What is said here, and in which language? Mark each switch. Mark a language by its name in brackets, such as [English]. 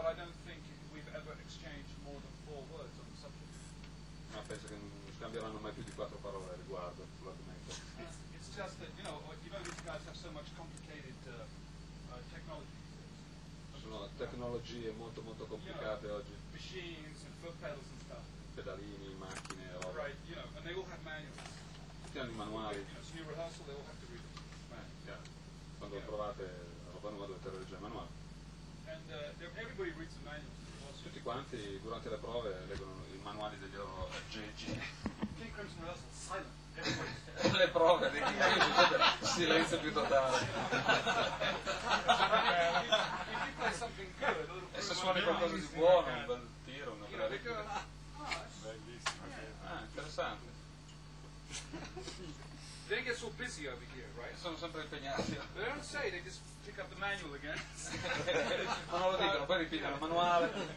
[English] But I don't think we've ever exchanged more than 4 words on the subject. [Italian] Ma penso che non scambieranno mai più di 4 parole riguardo l'argomento. [English] It's just that you know these guys have so much complicated technology. [Italian] Sono tecnologie molto molto complicate oggi. [English] Machines and foot pedals and stuff. [Italian] Pedalini, macchine. [English] Right, you know, and they all have manuals. [Italian] Tutti hanno i manuali. [English] It's a new rehearsal, they all have to read them. [Italian] Quando trovate roba nuova dovete leggere il manuale. [English] And, everybody reads the manuals. [Italian] Tutti quanti durante le prove leggono i manuali degli loro aggeggi. [English] King Crimson Rehearsal, silent. [Italian] Le prove dei King Crimson, silenzio più totale. [English] If you play something good, [Italian] e se suoni qualcosa di buono, un bel tiro, una bella replica. Bellissimo. Ah, interessante. [English] They get so busy over here, right? [Italian] Sono sempre impegnati. [English] They don't say, they just pick up the manual again. [Italian] Ma non lo dicono, poi ripigliano il manuale.